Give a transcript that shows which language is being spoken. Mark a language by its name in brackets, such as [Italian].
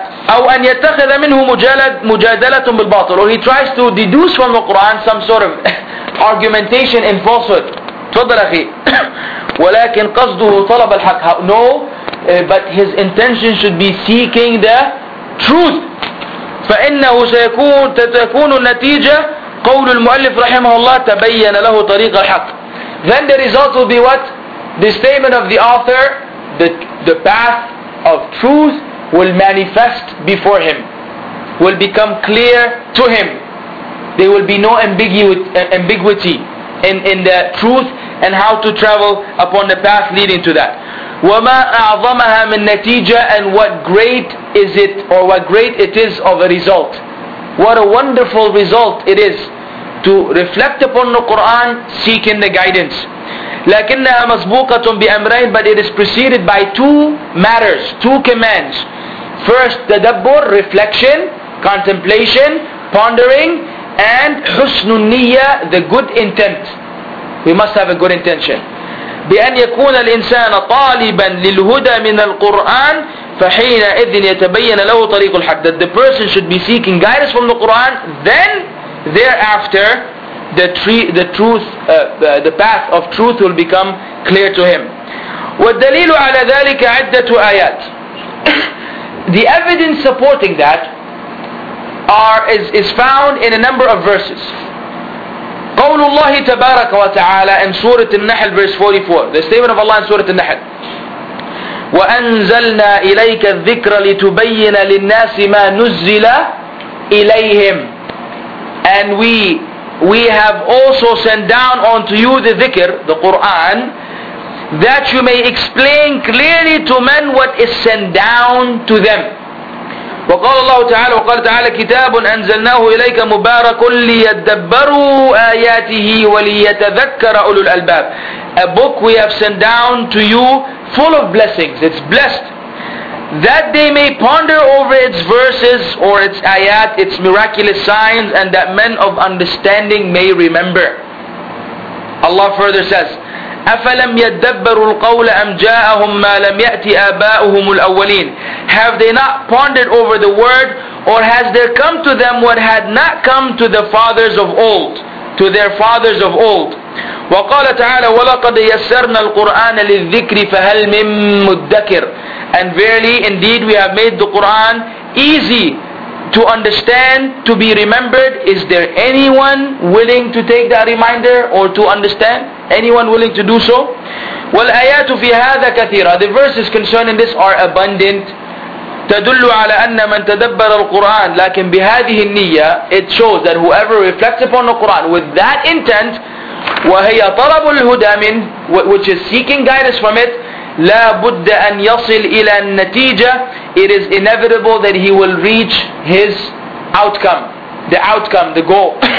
[Arabic] أو أن يتخذ منه مجادلة بالباطل. [English] Or he tries to deduce from the Quran some sort of argumentation in falsehood. [Arabic] تفضل أخي. ولكن قصده طلب الحق. [English] No, but his intention should be seeking the truth. [Arabic] فإنه ستكون النتيجة قول المؤلف رحمه الله تبين له طريق الحق. [English] Then the result will be what? The statement of the author, the path of truth will manifest before him, will become clear to him. There will be no ambiguity in the truth and how to travel upon the path leading to that. [Arabic] وَمَا أَعْظَمَهَا مِنْ نَتِيجَةً. [English] And what great is it, or what great it is of a result. What a wonderful result it is to reflect upon the Quran, seeking the guidance. [Arabic] لَكِنَّهَا مَسْبُوقَةٌ بِأَمْرَيْنِ. [English] But it is preceded by two matters, two commands. First, تدبر, reflection, contemplation, pondering, and [Arabic] حُسْنُ النِّيَّة, [English] the good intent. We must have a good intention. [Arabic] بأن يكون الإنسان طالبا للهدى من القرآن فحينئذ يتبين له طريق الحق. [English] That the person should be seeking guidance from the Quran, then thereafter the path of truth will become clear to him. [Arabic] والدليل على ذلك عدة آيات. [English] The evidence supporting that is found in a number of verses. [Arabic] قول الله تبارك وتعالى [English] in Surah An-Nahl verse 44. The statement of Allah in Surah An-Nahl. [Arabic] وَأَنْزَلْنَا إِلَيْكَ الذِّكْرَ لِتُبَيِّنَ لِلنَّاسِ مَا نُزِّلَ إِلَيْهِمْ. [English] And we have also sent down unto you the dhikr, the Qur'an, that you may explain clearly to men what is sent down to them. [Arabic] وقال الله تعالى وقال تعالى كتاب أنزلناه إليك مبارك ليدبروا آياته وليتذكر أولو الألباب. [English] A book we have sent down to you full of blessings, it's blessed, that they may ponder over its verses or its ayat, its miraculous signs, and that men of understanding may remember. Allah further says, [Arabic] أَفَلَمْ يَدَّبَّرُوا الْقَوْلَ أَمْ جَاءَهُمْ مَا لَمْ يَأْتِ آبَاؤُهُمُ الْأَوَّلِينَ. [English] Have they not pondered over the word, or has there come to them what had not come to the fathers of old, to their fathers of old? [Arabic] وَقَالَ تَعَالَى وَلَقَدْ يَسَّرْنَا الْقُرْآنَ لِلذِّكْرِ فَهَلْ مِنْ مُدَّكِرٍ. [English] And verily, indeed, we have made the Qur'an easy to understand, to be remembered. Is there anyone willing to take that reminder or to understand? Anyone willing to do so? [Arabic] والآيات في هذا كثيرة. [English] The verses concerning this are abundant. [Arabic] تدل على أن من تدبر القرآن لكن بهذه النية. [English] It shows that whoever reflects upon the Quran with that intent, [Arabic] وهي طلب الهدى من, [English] which is seeking guidance from it, [Arabic] لا بد أن يصل إلى النتيجة. [English] It is inevitable that he will reach his outcome, the goal.